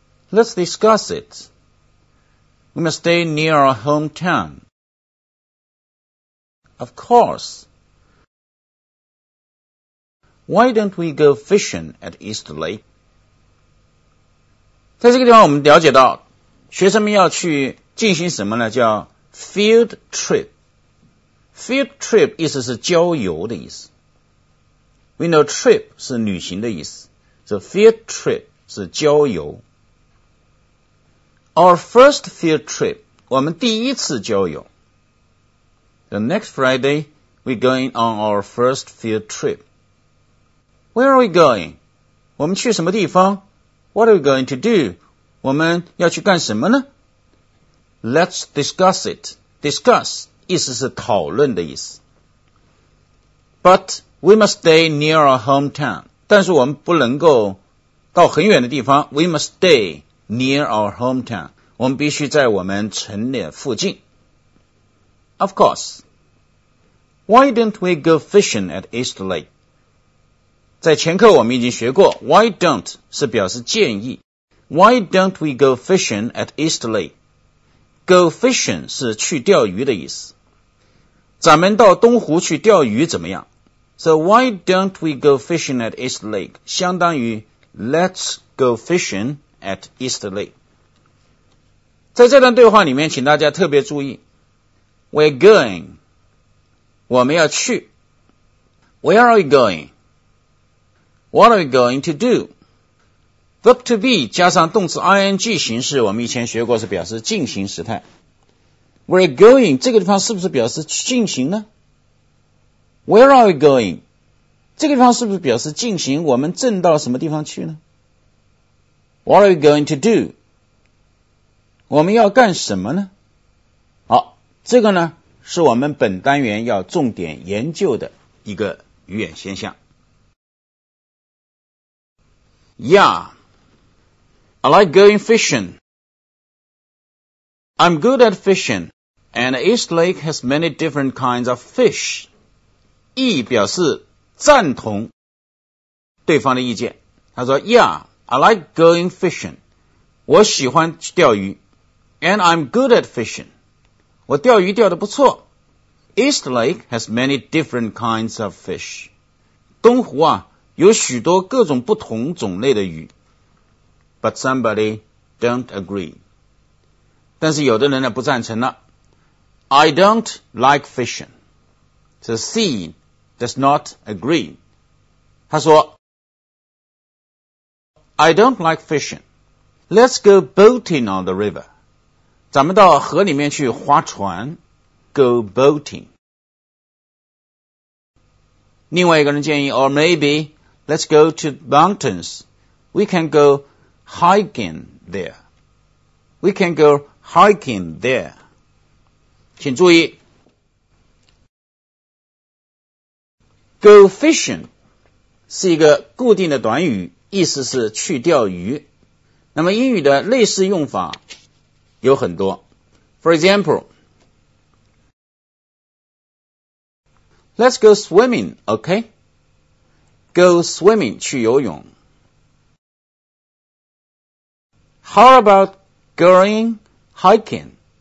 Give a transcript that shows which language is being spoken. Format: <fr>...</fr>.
<en>Let's discuss it. We must stay near our hometown. Of course. Why don't we go fishing at East Lake?</en> <zh>在这个地方我们了解到学生们要去进行什么呢叫 field trip. Field trip 意思是郊游的意思。</zh> <en>We know trip</en> <zh>是旅行的意思。 So field trip 是郊游。</zh> <en>Our first field trip,</en> <zh>我们第一次郊游。</zh> <en>The next Friday, we're going on our first field trip. Where are we going?</en> <zh>我们去什么地方?</zh> <en>What are we going to do?</en> <zh>我们要去干什么呢?</zh> <en>Let's discuss it. Discuss.</en> <zh>意思是讨论的意思。</zh> <en>But we must stay near our hometown.</en> <zh>但是我们不能够到很远的地方。</zh> <en>We must stay near our hometown.</en> <zh>我们必须在我们城里附近。</zh> <en>Of course. Why don't we go fishing at East Lake?</en> <zh>在前课我们已经学过</zh> <en>Why don't</en> <zh>是表示建议。</zh> <en>Why don't we go fishing at East Lake?</en> <zh>Go fishing 是去钓鱼的意思。咱们到东湖去钓鱼怎么样?</zh> <en>So why don't we go fishing at East Lake?</en> <zh>相当于</zh> <en>Let's go fishing at East Lake.</en> <zh>在这段对话里面请大家特别注意。</zh> <en>We're going.</en> <zh>我们要去。</zh> <en>Where are we going? What are we going to do?</en> <zh>Verb to be 加上动词 ing 形式我们以前学过是表示进行时态。</zh> <en>We're going,</en> <zh>这个地方是不是表示进行呢?</zh> <en>Where are we going?</en> <zh>这个地方是不是表示进行我们正到什么地方去呢?</zh> <en>What are we going to do?</en> <zh>我们要干什么呢? 好,这个呢,是我们本单元要重点研究的一个语言现象。</zh> <en>Yeah, I like going fishing. I'm good at fishing. And East Lake has many different kinds of fish.</en> <zh>意表示赞同对方的意见。他说</zh> <en>Yeah, I like going fishing.</en> <zh>我喜欢钓鱼。</zh> <en>And I'm good at fishing.</en> <zh>我钓鱼钓得不错。</zh> <en>East Lake has many different kinds of fish.</en> <zh>东湖啊有许多各种不同种类的鱼。</zh> <en>But somebody don't agree.</en> <zh>但是有的人呢不赞成了。</zh> <en>I don't like fishing. So C does not agree.</en> <zh>他说</zh> <en>I don't like fishing. Let's go boating on the river.</en> <zh>咱们到河里面去划船</zh> <en>Go boating.</en> <zh>另外一个人建议</zh> <en>Or maybe let's go to mountains. We can go hiking there. We can go hiking there.</en> <zh>请注意</zh> <en>Go fishing</en> <zh>是一个固定的短语意思是去钓鱼那么英语的类似用法有很多</zh> <en>For example Let's go swimming, okay? Go swimming,</en> <zh>去游泳</zh> <en>How about going hiking?</en>